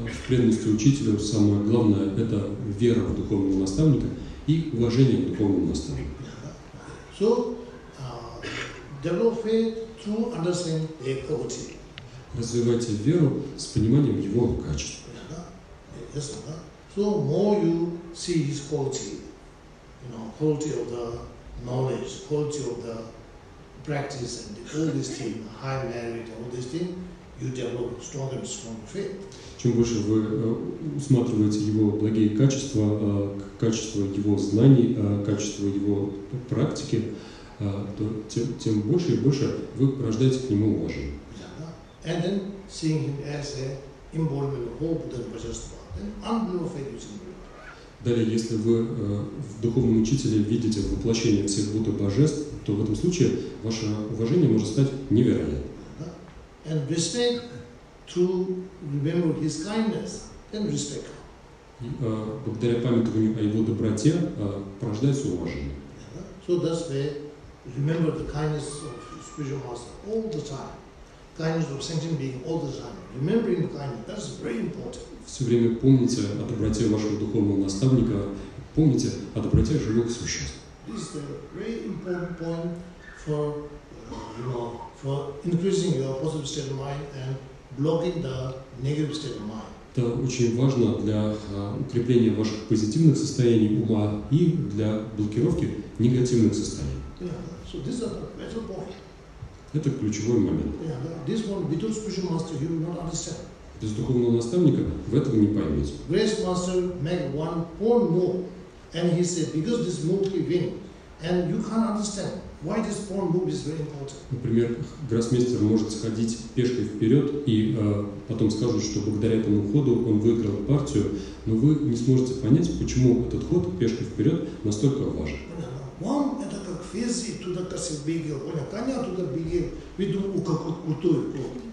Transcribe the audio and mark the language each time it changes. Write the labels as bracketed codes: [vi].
[ru] В преданности учителю самое главное – это вера в духовного наставника и уважение к духовному наставнику. [en] So, develop faith to understand their quality. [ru] Развивайте веру с пониманием его качеств. [en] So more you see his quality, you know, quality of the knowledge, quality of the practice and all these things, high merit, all these things, you develop strong and strong faith. [ru] Чем больше вы усматриваете его благие качества, качество его знаний, качество его практики, то тем больше и больше вы порождаете к нему уважение. [en] And then seeing him as an embodiment of all Buddha and Bhajastva. Then unbelievable faith is in him. [ru] Далее, если вы в духовном учителе видите воплощение всех Будд и Божеств, то в этом случае ваше уважение может стать невероятным. [en] And respect to remember his kindness, then respect. [ru] Благодаря памятованию о его доброте порождается уважение. [en] So that's where remember the kindness of spiritual master all the time. Kindness of sentient being all the time. Remembering the kindness, that's very important. [ru] Все время помните о доброте вашего духовного наставника, помните о доброте живых существ. [en] This is a very important point for, you know, for increasing your positive state of mind and blocking the negative state of mind. [ru] Это очень важно для укрепления ваших позитивных состояний ума и для блокировки негативных состояний. [en] So this is a major point. [ru] Это ключевой момент. [en] This one, without spiritual master, you will not understand. [ru] Без духовного наставника вы этого не поймете. [en] Grace master make one pawn move, and he said, because this move he win, and you can't understand why this pawn move is very important. [ru] Например, гроссмейстер может сходить пешкой вперед и потом скажет, что благодаря этому ходу он выиграл партию, но вы не сможете понять, почему этот ход пешкой вперед настолько важен. One, это как физи туда косит бегил, понял? Коня туда бегил, веду у какого-то той ход.